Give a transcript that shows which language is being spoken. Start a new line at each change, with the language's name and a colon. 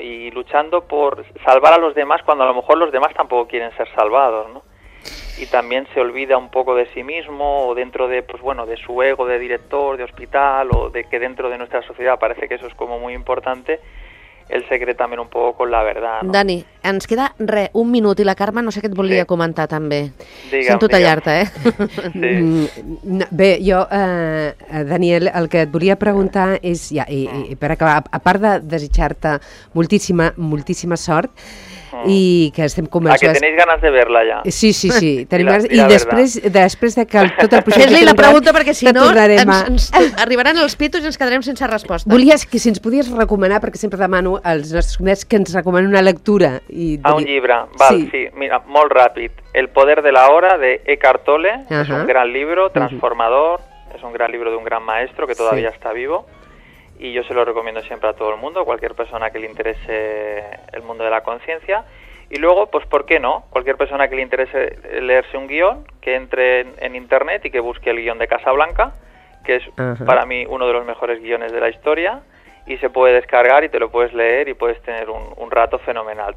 Spanish: Y luchando por salvar a los demás cuando a lo mejor los demás tampoco quieren ser salvados, ¿no? Y también se olvida un poco de sí mismo, o dentro de, pues bueno, de su ego de director, de hospital, o de que dentro de nuestra sociedad parece que eso es como muy importante,
Catalan: el secret també un poc
Spanish: con la verdad.
Catalan: No? Dani, ens queda un minut i la Carme no sé què et volia comentar també. Digue'm, sento tallar-te, eh? Sí. Bé, jo, Daniel, el que et volia preguntar és, ja, i per acabar, a part de desitjar-te moltíssima, moltíssima sort, i que estem convençuts...
Spanish: Ah, que tenéis ganes de verla, ja.
Catalan: Sí, sí, sí. Tenim ganes... I després de que tot el projecte... Fes-li la pregunta, perquè si no, ens arribaran els pitos i ens quedarem sense resposta. Volies que, si ens podies recomanar, perquè sempre demano als nostres convidats que ens recomanen una lectura. Un llibre, val, sí. Mira, molt ràpid. El poder de la hora, de Eckhart Tolle. És un gran llibre, transformador. És un gran llibre d'un gran
Spanish: maestro que todavía
Catalan: està vivo.
Spanish: Y yo se lo recomiendo siempre a todo el mundo, cualquier persona que le interese el mundo de la conciencia. Y luego, pues ¿por qué no? Cualquier persona que le interese leerse un guión, que entre en internet y que busque el guión de Casablanca, que es para mí uno de los mejores guiones de la historia, y se puede descargar y te lo puedes leer y puedes tener un rato fenomenal.